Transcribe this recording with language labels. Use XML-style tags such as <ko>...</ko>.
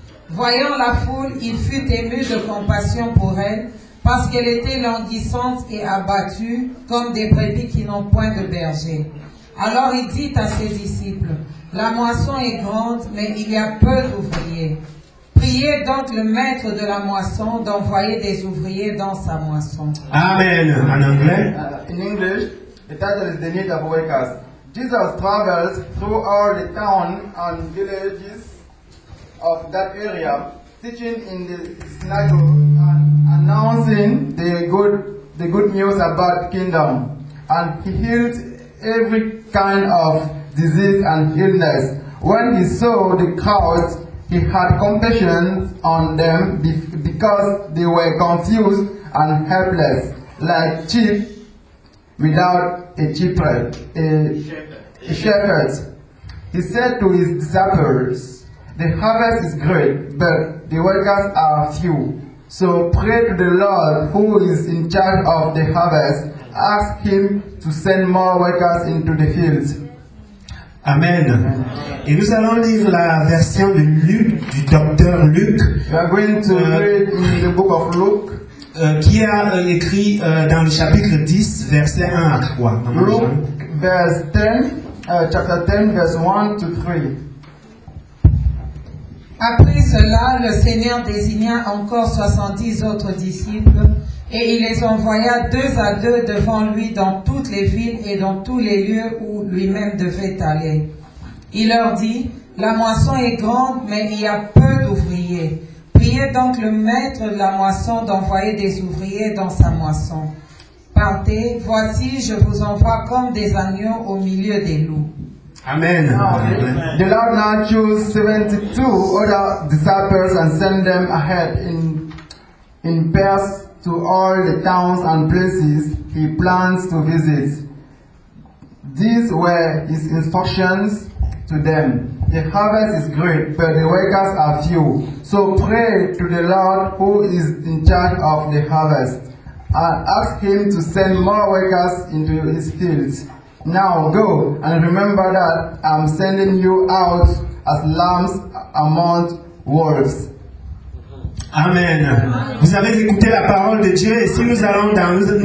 <fr>Voyant la foule, il fut ému de compassion pour elle, parce qu'elle était languissante et abattue, comme des brebis qui n'ont point de berger. Alors il dit à ses disciples, « La moisson est grande, mais il y a peu d'ouvriers. » Priez donc le maître de la moisson d'envoyer des ouvriers dans sa moisson. Amen. En anglais.</fr> <en>In English, the title is the need of workers. Jesus travels through all the towns and villages of that area, teaching in the synagogue and announcing the good news about the kingdom. And he healed every kind of disease and illness. When he saw the crowds, he had compassion on them because they were confused and helpless, like sheep without a shepherd. He said to his disciples, the harvest is great, but the workers are few. So pray to the Lord who is in charge of the harvest. Ask him to send more workers into the fields. Amen.</en> <fr>Et nous allons lire la version de Luc, du docteur Luc.</fr> <en>We are going to read in the book of Luke.</en> <fr>Qui a écrit dans le chapitre 10, verset 1 à 3.</fr> <en>Luke, verse 10, chapter 10, verse 1 to 3.</en> <fr>Après cela, le Seigneur désigna encore 70 autres disciples et il les envoya deux à deux devant lui dans toutes les villes et dans tous les lieux où lui-même devait aller. Il leur dit, « La moisson est grande, mais il y a peu d'ouvriers. Priez donc le maître de la moisson d'envoyer des ouvriers dans sa moisson. Partez, voici, je vous envoie comme des agneaux au milieu des loups. » Amen. Amen.</fr> <en>The Lord now chose 72 other disciples and sent them ahead in pairs to all the towns and places he plans to visit. These were his instructions to them. The harvest is great, but the workers are few. So pray to the Lord who is in charge of the harvest and ask him to send more workers into his fields. Now go and remember that I'm sending you out as lambs among wolves. Amen.</en> <fr>Vous avez écouté la parole de Dieu et si nous allons dans</fr>